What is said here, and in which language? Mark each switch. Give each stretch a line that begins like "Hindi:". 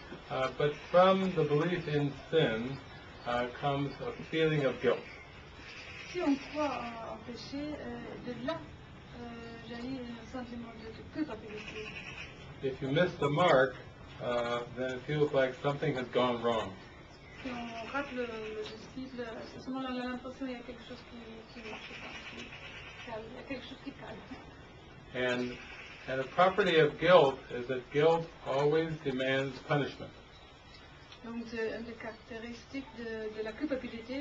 English: But from the belief in sin comes a feeling of guilt.
French: Si on croit en péché, de là jaillit un sentiment de culpabilité.
English: If you miss the mark, then it feels like something has gone wrong.
French: Si on rate le cible, à ce moment-là, on a l'impression qu'il y a quelque chose qui calme, quelque chose qui calme.
English: And a property of guilt is that guilt always demands punishment.
French: Donc c'est une des caractéristiques de la culpabilité.